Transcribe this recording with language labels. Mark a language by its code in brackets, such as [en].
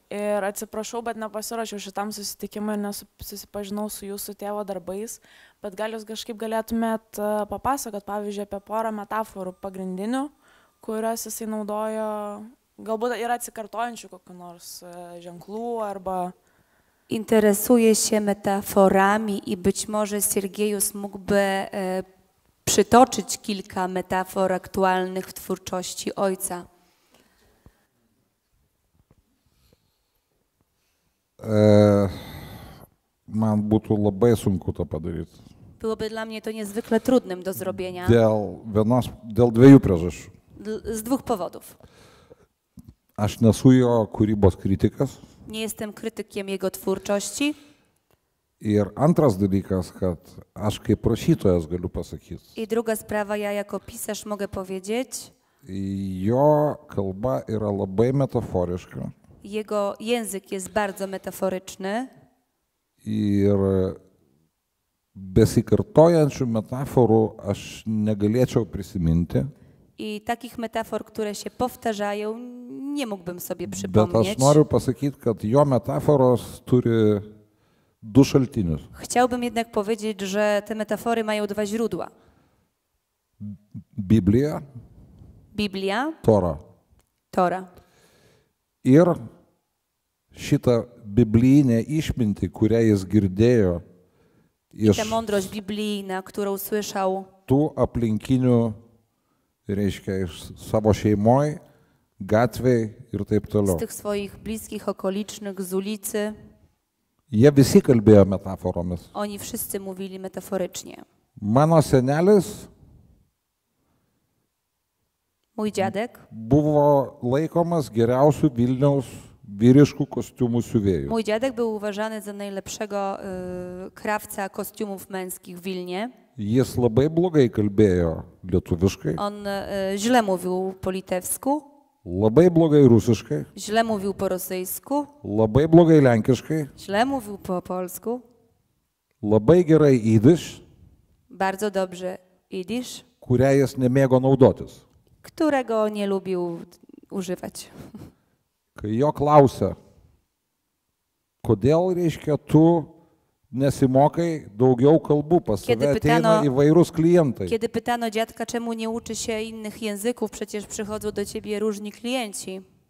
[lt] Ir atsiprašau, bet nepasiruošiau šitam susitikimui ir nesusipažinau su jūsų tėvo darbais, bet gal jūs kažkaip galėtumėt papasakot, pavyzdžiui, apie porą metaforų pagrindinių, kurias jisai naudojo, galbūt yra atsikartojančių kokių nors ženklų arba... [pl] Interesuje się metaforami i być może Sergejus mógłby przytoczyć kilka metafor aktualnych w twórczości ojca. [lt] Man būtų labai sunku to padaryt. [pl] Byłoby dla mnie to niezwykle trudnym do zrobienia. [lt] Dėl dviejų priežasčių. [pl] Z dwóch powodów. [lt] Aš nesu jo kūrybos kritikas. [pl] Nie jestem krytykiem jego twórczości. [lt] Ir antras dalykas, kad aš kaip rašytojas galiu pasakyti. [pl] I druga sprawa, ja jako pisarz mogę powiedzieć. [lt] Jo kalba yra labai metaforiška. [pl] Jego język jest bardzo metaforyczny. [lt] Ir besikartojančių metaforų aš negalėčiau prisiminti. [pl] I takich metafor, które się powtarzają, nie mógłbym sobie przypomnieć. [lt] Bet aš noriu pasakyti, kad jo metaforos turi du šaltinius. [pl] Chciałbym jednak powiedzieć, że te metafory mają dwa źródła. Biblia. Biblia. Tora. Tora. [lt] Ir šita biblijinė išmintį, kurią jis girdėjo iš [pl] ta mądrość biblijna, którą słyszał [lt] tu aplinkinių, reiškia, iš savo šeimoj, gatvėj ir taip toliau. [pl] Z tych swoich bliskich okolicznych, z ulicy. [lt] Jie visi kalbėjo metaforomis. [pl] Oni wszyscy mówili metaforycznie. [lt] Mano senelis. [pl] Mój dziadek. [lt] Buvo laikomas geriausiu Vilniaus vyriškų kostiumų siuvėju. [pl] Mój dziadek był uważany za najlepszego krawca kostiumów męskich w Vilnie. [lt] Jis labai blogai kalbėjo lietuviškai. [pl] On źle mówił po litewsku. [lt] Labai blogai rusiškai. [pl] Źle mówił po rosyjsku. [lt] Labai blogai lenkiškai. [pl] Źle mówił po polsku. [lt] Labai gerai jidysz. [pl] Bardzo dobrze jidysz. [lt] Kurią jis nemėgo naudotis. [pl] Którego nie lubił używać. [lt] Kai jo klausia, kodėl, reiškia, tu nesimokai daugiau kalbų, pas tave ateina įvairūs klientai. [pl] Kiedy pytano dziadka, czemu nie uczy się innych języków, przecież przychodzą do ciebie różni klienci.